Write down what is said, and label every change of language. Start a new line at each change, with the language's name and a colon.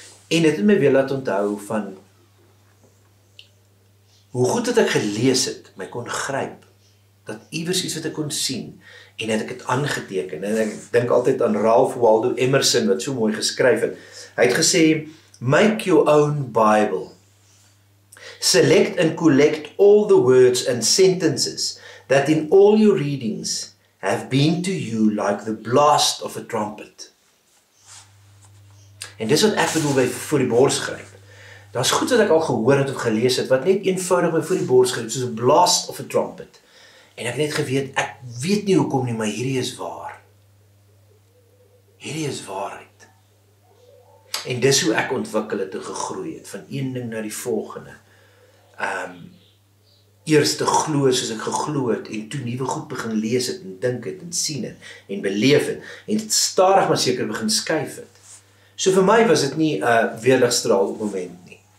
Afrikaans: En dit het my weer laat onthou van hoe goed het ek gelees het, my kon gryp, dat iewers iets wat ek kon sien en het ek het aangeteken. En ek dink altyd aan Ralph Waldo Emerson wat so mooi geskryf het.
English: Hy het gesê, make your own Bible. Select and collect all the words and sentences that in all your readings have been to you like the blast of a trumpet.
Afrikaans: En dis wat ek bedoel by voor die bors gryp. Daar's goed wat ek al gehoor het of gelees het, wat net eenvoudig by voor die bors gryp, soos
English: a blast of a trumpet.
Afrikaans: En ek het net geweet, ek weet nie hoekom nie, maar hierdie is waar. Hierdie is waarheid. En dis hoe ek ontwikkel het en gegroei het, van een ding na die volgende. Eerste glo soos ek geglo het en toe nuwe goed begin lees het en dink het en sien het en beleef het en het stadig maar seker begin skuif het. So vir my was dit nie 'n weerligstraal op moment nie.